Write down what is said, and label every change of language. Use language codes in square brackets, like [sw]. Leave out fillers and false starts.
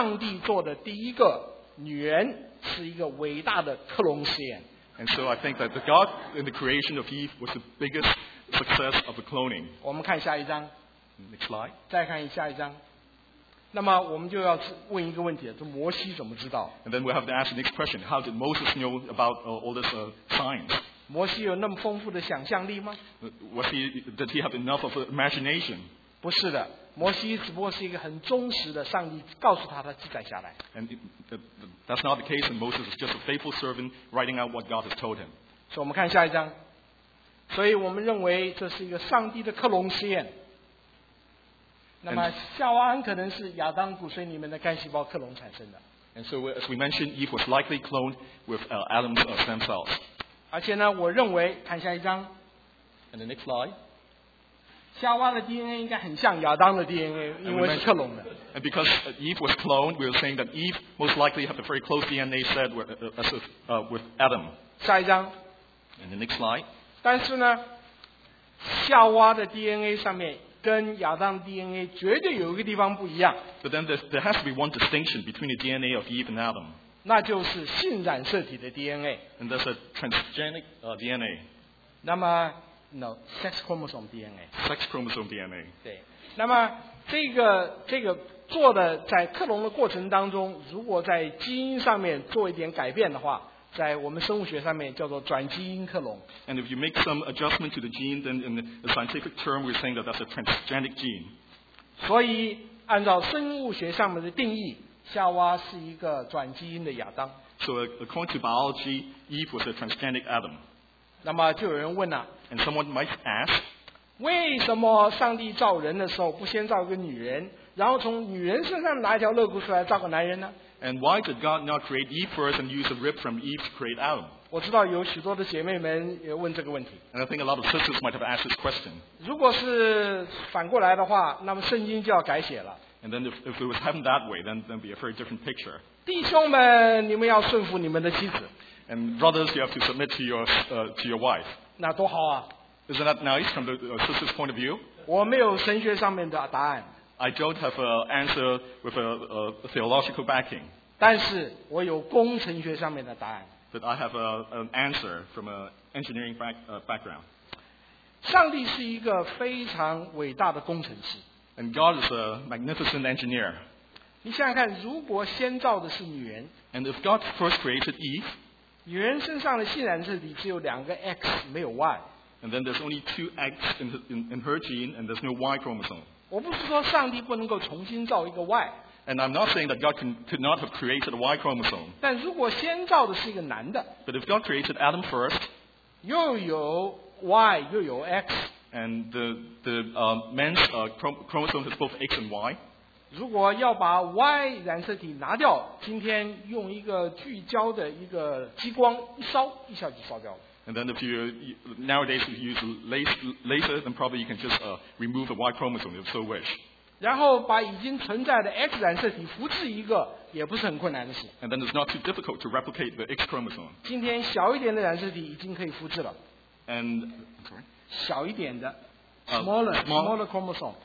[zh] 所以我认为上帝做的第一个女人, 是一个伟大的克隆实验。 [en] And so I think that the God in the creation of Eve was the biggest success of the cloning. [zh] 我们看下一章。 [en] Next slide. [zh] 再看下一章。那么我们就要问一个问题，这摩西怎么知道？ [en] And then we have to ask the next question. How did Moses know about all this science? [zh] 摩西有那么丰富的想象力吗？ [en] Was he, did he have enough of imagination? [zh] 不是的，摩西只不过是一个很忠实的，上帝告诉他，他记载下来。 [en] And that's not the case, and Moses is just a faithful servant writing out what God has told him. [zh] 所以我们看下一章。所以我们认为这是一个上帝的克隆实验。那么夏娃很可能是亚当骨髓里面的干细胞克隆产生的。 [en] And so as we mentioned, Eve was likely cloned with Adam's stem cells. [zh] 而且呢，我认为看下一章。 [en] And the next slide. [zh] 夏娃的 DNA 应该很像亚当的 DNA， 因为是克隆的。 [en] And because Eve was cloned, we are saying that Eve most likely had a very close DNA set with Adam. [zh] 下一张。 [en] And the next slide. [zh] 但是呢，夏娃的 DNA 上面跟亚当 DNA 绝对有一个地方不一样。 [en] But then there has to be one distinction between the DNA of Eve and Adam. [zh] 那就是性染色体的 DNA. [en] And that's a transgenic DNA. [zh] 那么 [en] No, sex chromosome DNA. Sex chromosome DNA. [zh] 对，那么这个做的在克隆的过程当中，如果在基因上面做一点改变的话，在我们生物学上面叫做转基因克隆。 [en] And if you make some adjustment to the gene, then in the scientific term, we're saying that that's a transgenic gene. [zh] 所以按照生物学上面的定义，夏娃是一个转基因的亚当。 [en] So according to biology, Eve was a transgenic Adam. [zh] 那么就有人问了 [en] ，And someone might ask， [zh] 为什么上帝造人的时候不先造个女人，然后从女人身上拿一条肋骨出来造个男人呢 [en] ？And why did God not create Eve first and use a rib from Eve to create Adam？ [zh] 我知道有许多的姐妹们也问这个问题。 [en] And I think a lot of sisters might have asked this question。 [zh] 如果是反过来的话，那么圣经就要改写了。 [en] And then if it was happened that way, then be a very different picture。 [zh] 弟兄们，你们要顺服你们的妻子。 [en] And brothers, you have to submit to your wife. [zh] 那多好啊！ [en] Isn't that nice from the sister's point of view? [zh] 我没有神学上面的答案。 [en] I don't have an answer with a theological backing. [zh] 但是我有工程学上面的答案。 [en] But I have an answer from an engineering background. [zh] 上帝是一个非常伟大的工程师。 [en] And God is a magnificent engineer. [zh] 你想想看，如果先造的是女人。 [en] And if God first created Eve. [zh] 女人身上的性染色体只有两个 X， 没有 Y。 [en] And then there's only two X in her gene, and there's no Y chromosome. [zh] 我不是说上帝不能够重新造一个 Y。 [en] And I'm not saying that God could not have created a Y chromosome. [zh] 但如果先造的是一个男的 [en] ，But if God created Adam first， [zh] 又有 Y 又有 X。 [en] And the man's chromosome has both X and Y。 [zh] 如果要把 Y 染色体拿掉，今天用一个聚焦的一个激光一烧，一下就烧掉了。 [en] And then if you nowadays if you use laser, then probably you can just remove the Y chromosome if so wish. [zh] 然后把已经存在的 X 染色体复制一个，也不是很困难的事。 [en] And then it's not too difficult to replicate the X chromosome. [zh] 今天小一点的染色体已经可以复制了。 [en] And [zh] 小一点的 [en] smaller chromosome,